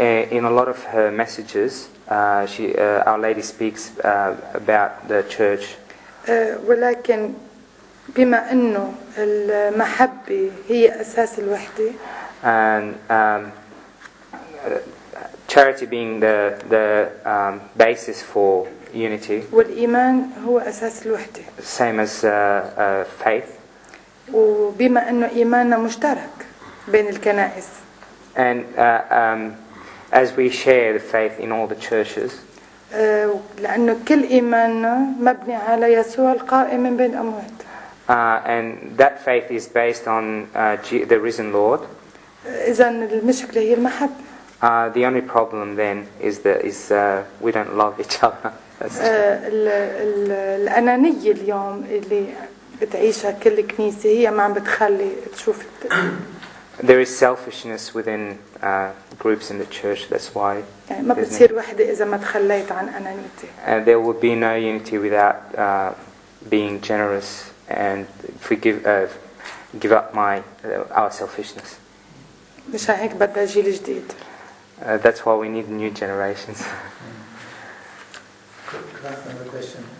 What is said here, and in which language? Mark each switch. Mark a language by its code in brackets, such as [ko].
[en] in a lot of her messages our lady speaks about the church [ar] ولكن بما انه المحبة هي اساس الوحدة [en] and charity being the basis for unity [ar] والإيمان هو أساس الوحدة [en] same as faith [ar] وبما أنه إيماننا مشترك بين الكنائس [en] and as we share the faith in all the churches [ar] لأنه كل إيماننا مبني على يسوع القائم بين الأموات [en] and that faith is based on the risen Lord [ar] إذا المشكلة هي المحبة [en] the only problem then is that we don't love each other [ar] الأنانية اليوم اللي بتعيشها كل كنيسة هي ما عم بتخلي تشوف [en] There is selfishness within groups in the church. That's why. [ar] ما بتصير وحدة إذا ما تخليت عن أنانيتي. [en] There would be no unity without being generous and forgive give up my our selfishness. [ar] مش هيك بدنا جيل جديد. [en] That's why we need new generations. Another question.